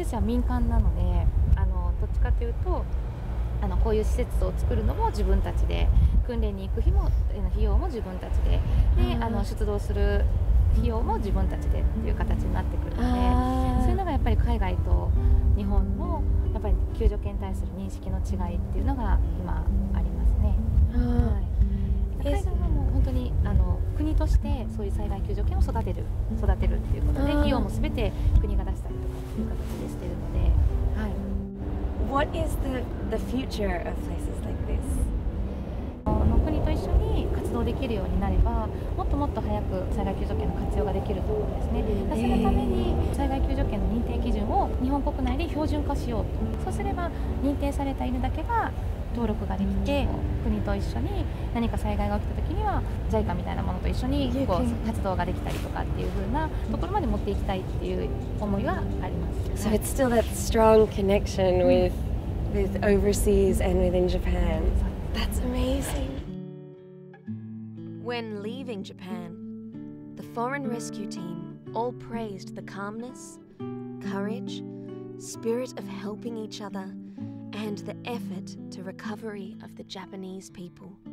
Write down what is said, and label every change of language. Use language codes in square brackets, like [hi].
[ja] でも私たちは民間なので、あのどっちかというと、あのこういう施設を作るのも自分たちで、訓練に行く日も費用も自分たち で、あの出動する費用も自分たちでっていう形になってくるので、そういうのがやっぱり海外と日本のやっぱり救助犬に対する認識の違いっていうのが今ありますね。はい、海外はもう本当にあの国としてそういう災害救助犬を育てるっていうことで、費用も全て国が出したりとかっていう形でしてるので。はい、 [en] What is the future of places like this? [ja] 国と一緒に活動できるようになれば、もっともっと早く災害救助犬の活用ができると思うんですね。そのために災害救助犬の認定基準を日本国内で標準化しようと。そうすれば認定された犬だけが登録ができて、国と一緒に何か災害が起きた時には JICA みたいなものと一緒にこう活動ができたりとかっていう風なところまで持っていきたいっていう思いはあります。 [en] So it's still that strong connection with overseas and within Japan. That's amazing. When leaving Japan, the foreign rescue team all praised the calmness, courage, spirit of helping each otherand the effort to recovery of the Japanese people.